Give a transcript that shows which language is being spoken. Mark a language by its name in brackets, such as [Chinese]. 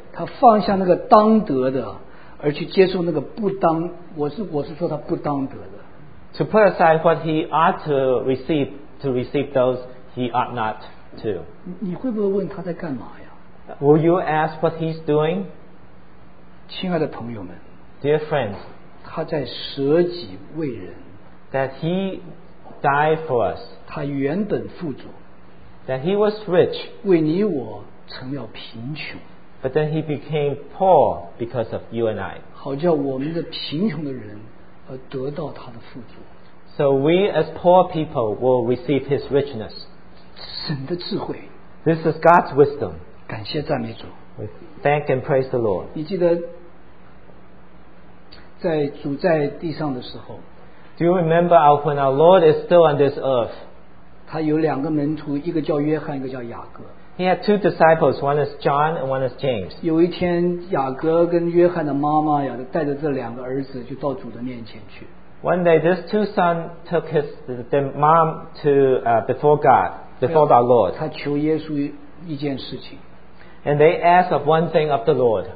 [Chinese] 他放下那个当得的, 而去接受那个不当, 我是说他不当得的, [English] to put aside what he ought to receive those he ought not to. [Chinese] 你会不会问他在干嘛呀? [English] Will you ask what he's doing? [Chinese] 亲爱的朋友们， [English] Dear friends, [Chinese] 他在舍己为人， [English] that he died for us, [Chinese] 他原本富足， [English] that he was rich, [Chinese] 为你我成了贫穷， [English] but then he became poor because of you and I, [Chinese] 好叫我们的贫穷的人， 而得到他的富足， [English] so we as poor people will receive his richness. [Chinese] 神的智慧， [English] this is God's wisdom. [Chinese] 感谢赞美主， [English] we thank and praise the Lord. [Chinese] 你记得 在主在地上的时候， [English] Do you remember when our Lord is still on this earth? [Chinese] 他有两个门徒， 一个叫约翰， 一个叫雅各。 [English] He had two disciples, one is John and one is James. [Chinese] 有一天雅各跟约翰的妈妈呀， 带着这两个儿子 就到主的面前去。 [English] One day this two sons took his mom to before God, before our Lord. [Chinese] 他求耶稣一件事情。 [English] And they asked of one thing of the Lord.